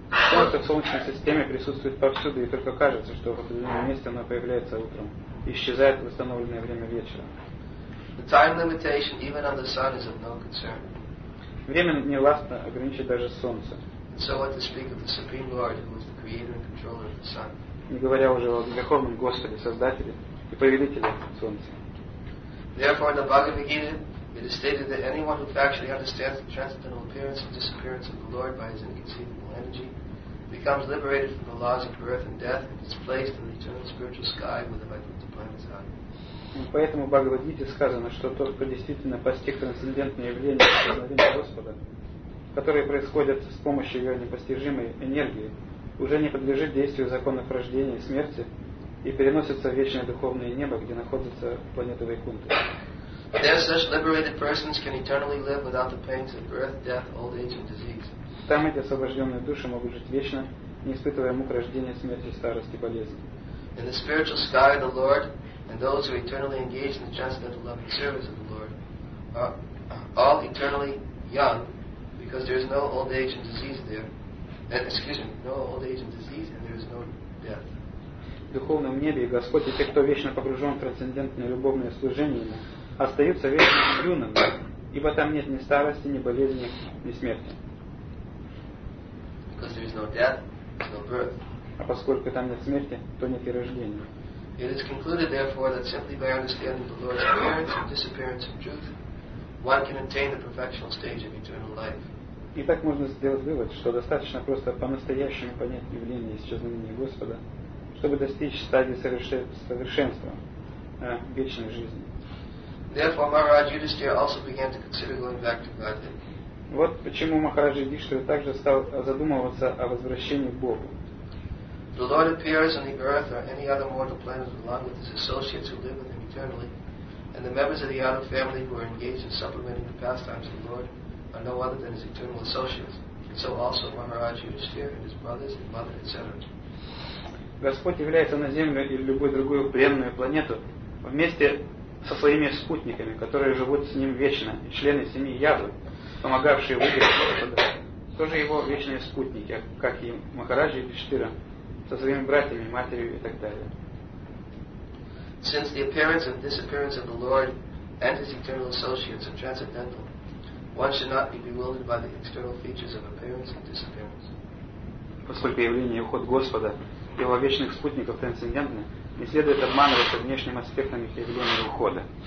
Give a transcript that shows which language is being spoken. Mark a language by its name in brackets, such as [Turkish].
[Russian] Солнце в Солнечной системе присутствует повсюду, и только кажется, что в определенном месте оно появляется утром и исчезает в установленное время вечера. [English] The time limitation even on the sun is of no concern. [Russian] Время не властно ограничить даже солнце. [English] So what to speak of the Supreme Lord, who is the creator and controller of the sun. [Russian] Не говоря уже о Верховном Господе, Создателе и Повелителе Солнца. [English] Therefore, in the Bhagavad Gita, it is stated that anyone who factually understands the transcendental appearance and disappearance of the Lord by his inconceivable energy becomes liberated from the laws of birth and death and is placed in the eternal spiritual sky where the Vaikuntha planets are. [Russian] Поэтому в Бхагавад Гите сказано, что тот, кто действительно постиг трансцендентное явление исчезновения Господа, которые происходят с помощью ее непостижимой энергии, уже не подлежит действию законов рождения и смерти и переносится в вечное духовное небо, где находится планета Вайкунта. [English] There such liberated persons can eternally live without the pains of birth, death, old age and disease. [Russian] Там эти освобожденные души могут жить вечно, не испытывая мук рождения, смерти, старости, болезни. [English] In the spiritual sky, the Lord and those who eternally engage in the transcendental loving service of the Lord are all eternally young, because there is no old age and disease there. No old age and disease, and there is no death. [Russian] В духовном небе Господь и те, кто вечно погружен в трансцендентное любовное служение ему, остаются вечно юными, ибо там нет ни старости, ни болезни, ни смерти. [English] Because there is no death, no birth. [Russian] А поскольку там нет смерти, то нет и рождения. [English] It is concluded, therefore, that simply by understanding the Lord's appearance and disappearance of truth, one can attain the perfectional stage of eternal life. [Russian] И так можно сделать вывод, что достаточно просто по-настоящему понять явление исчезновения Господа, чтобы достичь стадии совершенства вечной жизни. [English] Therefore, Maharaj Yudhisthira also began to consider going back to Godhead. [Russian] Вот почему Махараджа Юдхиштхира также стал задумываться о возвращении к Богу. [English] The Lord appears on the earth or any other mortal planet along with his associates who live with him eternally, and the members of the outer family who are engaged in supplementing the pastimes of the Lord are no other than his eternal associates. And so also Maharaj Yudhisthira and his brothers and mother, etc. [Russian] Господь является на Землю или любую другую бренную планету вместе со своими спутниками, которые живут с ним вечно, и члены семьи Яду, помогавшие выиграть Господа, тоже его вечные спутники, как и Махараджа Юдхиштхира, со своими братьями, матерью и так далее. [English] Since the appearance and disappearance of the Lord and his eternal associates are transcendental, one should not be bewildered by the external features of appearance and disappearance. [Russian] Поскольку явление и уход Господа его вечных спутников трансцендентны, не следует обманываться внешним аспектом их явления и ухода.